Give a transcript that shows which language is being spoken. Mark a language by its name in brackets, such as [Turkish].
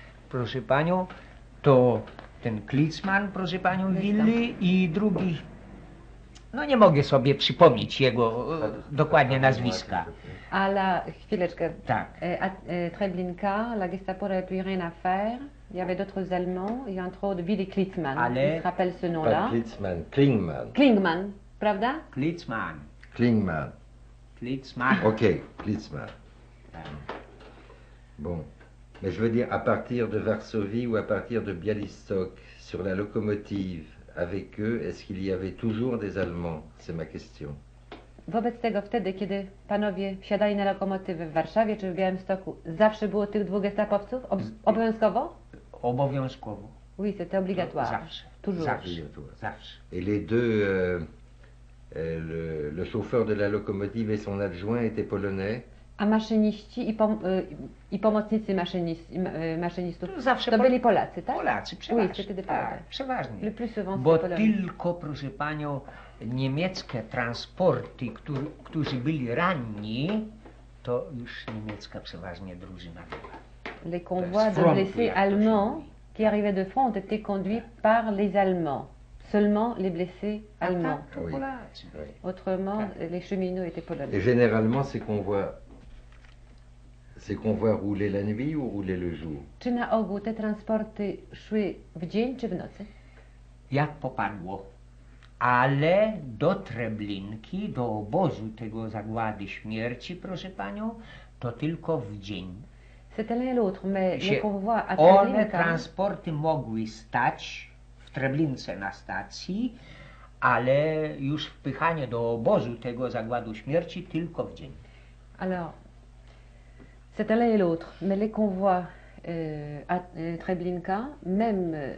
[Polish] Proszę panią, to ten Klitzman, proszę panią, Willi i drugi, no nie mogę sobie przypomnieć jego dokładnie nazwiska. Ale chwileczkę. Tak. [French] Treblinka, la Gestapo n'avait plus rien à faire. Il y avait d'autres Allemands, et entre autres Willi Klitzman. [Polish] Ale... [French] Il se rappelle ce nom-là. Klitzman, Klingman. [Polish] Klingman, prawda? Klitzman. Klingman. Klitzman. [French] Ok, Klitzman. Bon. Mais je veux dire, à partir de Varsovie ou à partir de Bialystok, sur la locomotive, avec eux, est-ce qu'il y avait toujours des Allemands? C'est ma question. [Polish] Wobec tego, wtedy, kiedy panowie wsiadali na lokomotywy w Warszawie czy w Białymstoku, zawsze było tych dwóch gestapowców? Obowiązkowo? Obowiązkowo. [French] Oui, c'était obligatoire. [Polish] Zawsze. [French] Et les deux, le chauffeur de la locomotive et son adjoint étaient polonais? [Polish] A maszyniści i pomocnicy maszynistów, to byli Polacy, tak? Polacy, przeważnie. [French] Oui, c'était des Polacy. [Polish] Przeważnie. [French] Le plus souvent, [Polish] bo tylko, proszę panią, niemieckie transporty, którzy byli ranni, to już niemiecka przeważnie drużyna była. [French] Les convois de blessés allemands qui arrivaient de front ont été conduits par les Allemands. Seulement les blessés allemands. Autrement, les cheminots étaient polonais. Et généralement, ces convois roulaient la nuit ou roulaient le jour? [Polish] Czy na ogół te transporty szły w dzień czy w nocy? Jak popadło. Ale do Treblinki, do obozu tego zagłady śmierci, proszę panią, to tylko w dzień. [French] C'était l'un et l'autre, mais les convois à Treblinka... [Polish] One transporty mogły stać w Treblince na stacji, ale już wpychanie do obozu tego zagładu śmierci tylko w dzień. [French] Alors, c'était l'un et l'autre, mais les convois à Treblinka, même...